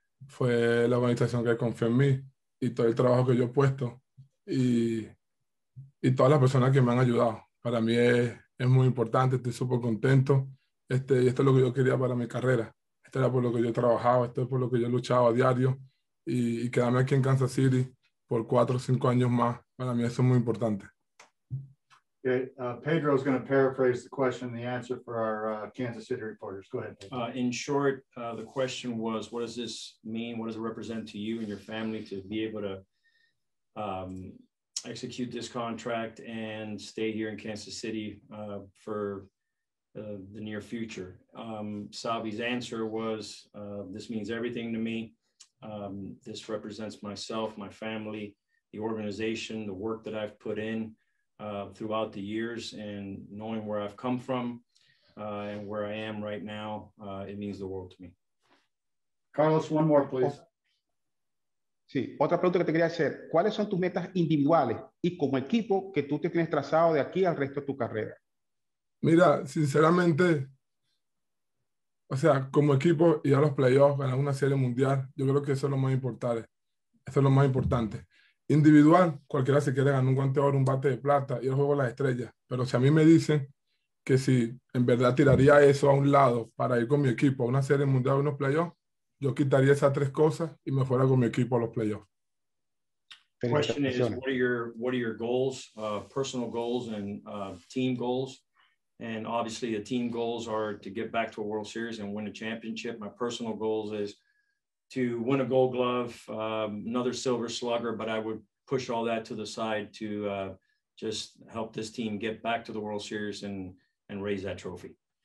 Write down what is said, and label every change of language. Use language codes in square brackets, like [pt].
[es] Fue la organización que confió en mí y todo el trabajo que yo he puesto y todas las personas que me han ayudado. Para mí es muy importante, estoy súper contento. Y esto es lo que yo quería para mi carrera. Esto era por lo que yo trabajaba, esto es por lo que yo luchaba a diario. Y quedarme aquí en Kansas City por 4 o 5 años más, para mí eso es muy importante. [en] Okay. Pedro is going to paraphrase the question and the answer for our Kansas City reporters. Go ahead, Pedro. In short, the question was, what does this mean? What does it represent to you and your family to be able to execute this contract and stay here in Kansas City for the near future? Salvi's answer was, this means everything to me. This represents myself, my family, the organization, the work that I've put in throughout the years, and knowing where I've come from and where I am right now, it means the world to me. Carlos, one more, please. [es] Sí, otra pregunta que te quería hacer. ¿Cuáles son tus metas individuales y como equipo que tú te tienes trazado de aquí al resto de tu carrera? Mira, sinceramente, o sea, como equipo y a los playoffs, ganar una serie mundial, yo creo que eso es lo más importante. Eso es lo más importante. Individual, cualquiera se quiere ganar un guante de oro, un bate de plata, y el juego de las estrellas. Pero si a mí me dicen que si en verdad tiraría eso a un lado para ir con mi equipo a una serie mundial o unos playoffs, yo quitaría esas tres cosas y me fuera con mi equipo a los playoffs. [en] The question is, what are your goals, personal goals and team goals? And obviously the team goals are to get back to a World Series and win a championship. My personal goals is to win a gold glove, another silver slugger, but I would push all that to the side to just help this team get back to the World Series and raise that trophy.